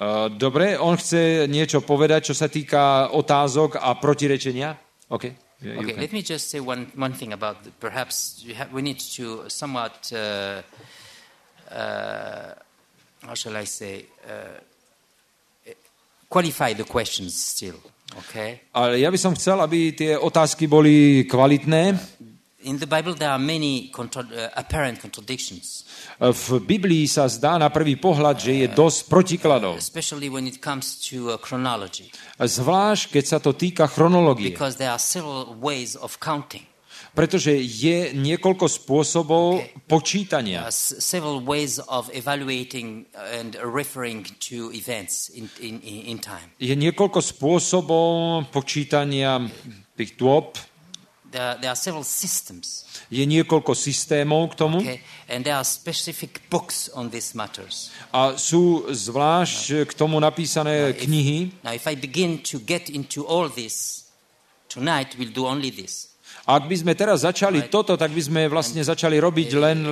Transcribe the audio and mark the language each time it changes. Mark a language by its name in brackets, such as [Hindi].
[Slovak] Dobre, on chce niečo povedať, čo sa týka otázok a protirečenia. [English] OK. Let me just say one thing about the, perhaps we need to somewhat how shall I say, qualify the questions still, okay? [Slovak] Ale ja by som chcel, aby tie otázky boli kvalitné. [English] In the Bible there are many apparent contradictions. [Slovak] V Biblii sa zdá na prvý pohľad, že je dosť protikladov. [English] Especially when it comes to chronology. [Slovak] Zvlášť keď sa to týka chronológie. [English] Because there are several ways of counting. [Slovak] Pretože je niekoľko spôsobov počítania. [English] Several ways of evaluating and referring to events in time. [Slovak] Je niekoľko spôsobov počítania tých dôb. [English] There are several systems. [Slovak] Je niekoľko systémov k tomu. [English] Okay. And there are specific books on these matters. [Slovak] A sú zvlášť k tomu napísané knihy. [English] Now if I begin to get into all this tonight, we'll do only this. [Slovak] A ak by sme teraz začali right. toto, tak by sme vlastne začali robiť len